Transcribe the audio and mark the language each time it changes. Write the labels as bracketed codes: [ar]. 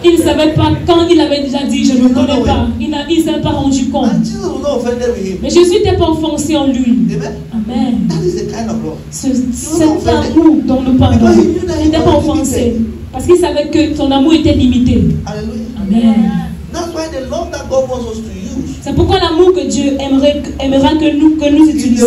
[fr] Il ne savait pas quand il avait déjà dit je ne connais pas. Il ne s'est pas rendu compte. [en] And Jesus was not offended with him. [fr] Mais Jésus n'était pas offensé en lui. Amen. [en] That is the kind of love. [fr] Cet amour dont nous parlons. Il n'était pas offensé. Parce qu'il savait que son amour était limité. Alléluia. Amen. [en] That's why the love that God wants us to use. [fr] C'est pourquoi l'amour que Dieu aimera que nous utilisons.